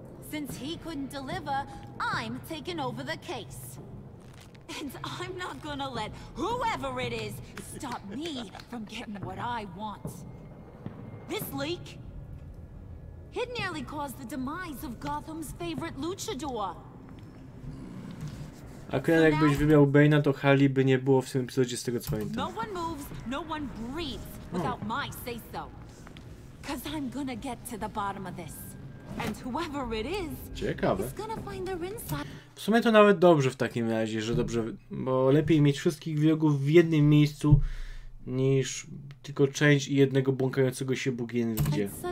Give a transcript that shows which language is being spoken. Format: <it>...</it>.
<en>Since he couldn't deliver, I'm taking over the case. And I'm not gonna let whoever it is stop me from getting what I want. This leak? It nearly caused the demise of Gotham's favorite luchador.</en> <pl>Akurat jakbyś wybrał Bane'a, to Harley by nie było w tym epizodzie, z tego co pamiętam.</pl> <en>No one moves, no one breathes without my say so. Cause I'm gonna get to the bottom of this. And whoever it is,</en> <pl>ciekawe.</pl> <en>Is gonna find their inside.</en> <pl>W sumie to nawet dobrze w takim razie, że dobrze, bo lepiej mieć wszystkich wrogów w jednym miejscu, niż tylko część i jednego błąkającego się Bóg jen gdzie.</pl>